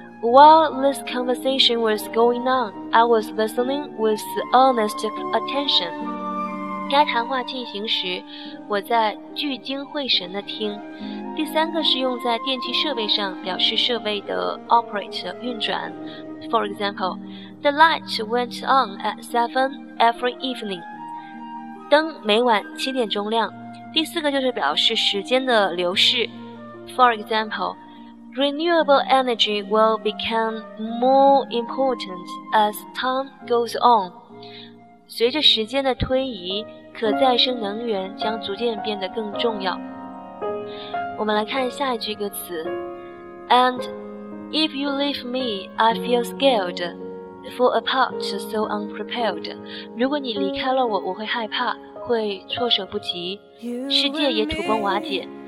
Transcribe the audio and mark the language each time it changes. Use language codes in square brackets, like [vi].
[en] While this conversation was going on, I was listening with earnest attention. [zh] 该谈话进行时，我在聚精会神地听。第三个是用在电器设备上，表示设备的 operate 运转。 [en] For example, the light went on at 7 every evening. [zh] 灯每晚七点钟亮。第四个就是表示时间的流逝。 [en] For example,Renewable energy will become more important as time goes on. [zh] 随着时间的推移，可再生能源将逐渐变得更重要。我们来看下一句歌词。 [en] And if you leave me, I feel scared for a part so unprepared. [zh] 如果你离开了我，我会害怕，会措手不及，世界也土崩瓦解。